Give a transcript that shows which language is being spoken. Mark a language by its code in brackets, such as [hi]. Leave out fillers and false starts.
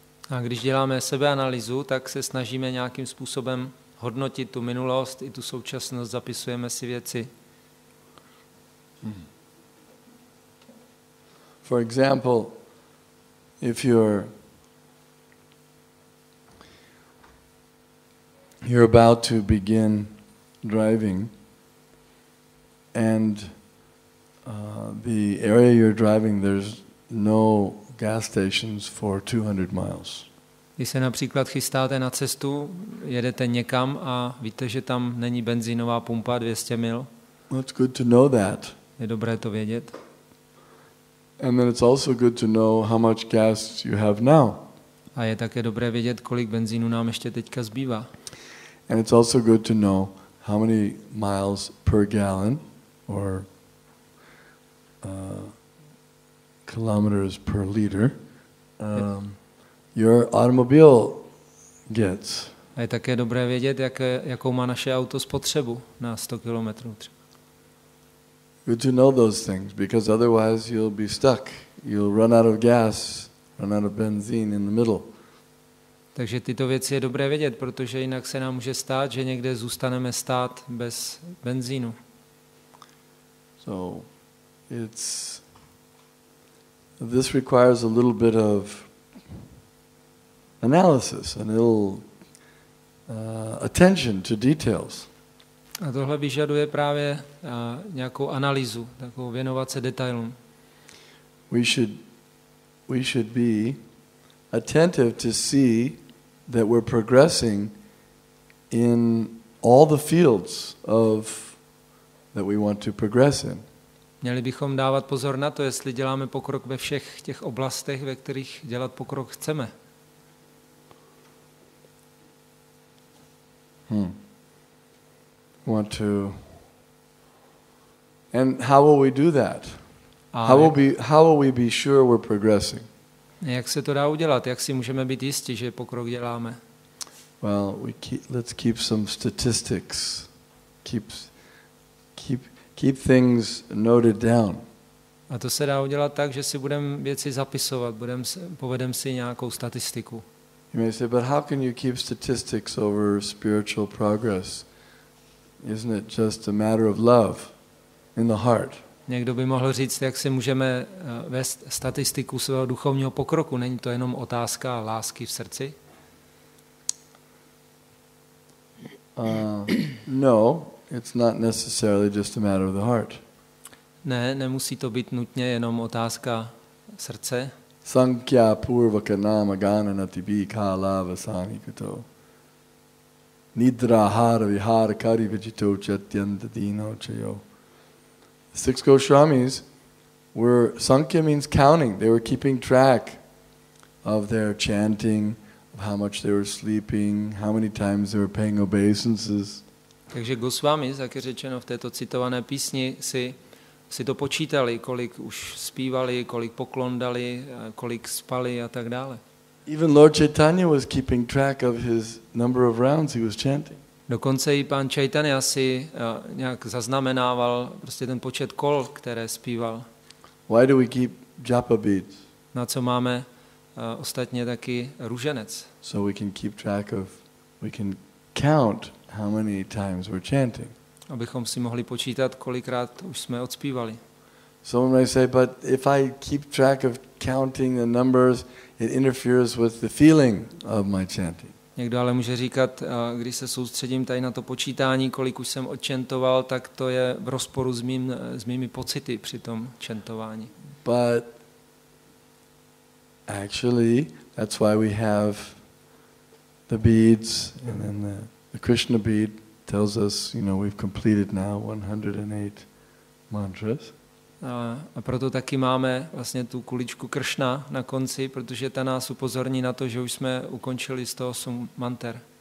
[cs] A když děláme sebeanalýzu, tak se snažíme nějakým způsobem hodnotit tu minulost i tu současnost, zapisujeme si věci. [en] For example, if you're about to begin driving and the area you're driving, there's no gas stations for 200 miles. [cs] Když se například chystáte na cestu, jedete někam a víte, že tam není benzínová pumpa 200 mil. [en] Well, it's good to know that. [cs] Je dobré to vědět. [en] And then it's also good to know how much gas you have now. [cs] A je také dobré vědět, kolik benzínu nám ještě teďka zbývá. [en] And it's also good to know how many miles per gallon or kilometers per liter your automobile gets. [cs] A je také dobré vědět, jakou má naše auto spotřebu na 100 kilometrů. [en] Good to know those things, because otherwise you'll be stuck. You'll run out of gas, run out of benzene in the middle. [cs] Takže tyto věci je dobré vědět, protože jinak se nám může stát, že někde zůstaneme stát bez benzínu. [en] So, it's this requires a little bit of analysis, a little attention to details. [cs] A tohle vyžaduje právě nějakou analýzu, takovou věnovat se detailům. [en] We should be attentive to see that we're progressing in all the fields of that we want to progress in. [cs] Měli bychom dávat pozor na to, jestli děláme pokrok ve všech těch oblastech, ve kterých dělat pokrok chceme. [en] Want to. And how will we do that? How will we be sure we're progressing? [cs] Jak se to dá udělat? Jak si můžeme být jistí, že pokrok děláme? [en] Well, let's keep some statistics. Keep things noted down. [cs] A to se dá udělat tak, že si budeme věci zapisovat, povedeme si nějakou statistiku. [en] You may say, but how can you keep statistics over spiritual progress? Isn't it just a matter of love in the heart? [cs] Někdo by mohl říct, jak si můžeme vést statistiku svého duchovního pokroku. Není to jenom otázka lásky v srdci? [en] No, it's not necessarily just a matter of the heart. [cs] Ne, nemusí to být nutně jenom otázka srdce. [sa] Sankhya purva kanama gana natibi kala vasani kuto. Nidra hara vihara kari vijito chatyanta dino chayo. [en] Six Goswamis were, Sankhya means counting. They were keeping track of their chanting, of how much they were sleeping, how many times they were paying obeisances. [cs] Takže Goswamis, jak je řečeno v této citované písni, si to počítali, kolik už zpívali, kolik poklon dali, kolik spali a tak dále. [en] Even Lord Chaitanya was keeping track of his number of rounds he was chanting. [cs] Dokonce i pan Chaitanya si nějak zaznamenával prostě ten počet kol, které zpíval. [en] Why do we keep japa beads? [cs] Na co máme ostatně taky růženec? [en] So we can keep track of, we can count how many times we're chanting. [cs] Abychom si mohli počítat, kolikrát už jsme odspívali. [en] Someone may say, but if I keep track of counting the numbers, it interferes with the feeling of my chanting. [cs] Někdo ale může říkat, když se soustředím tady na to počítání, kolik už jsem odčentoval, tak to je v rozporu s mými pocity při tom čentování. [en] But actually, that's why we have the beads, and then the Krishna bead tells us, you know, we've completed now 108 mantras. [cs] A proto taky máme vlastně tu kuličku Kršna na konci, protože ta nás upozorní na to, že už jsme ukončili 108 manter.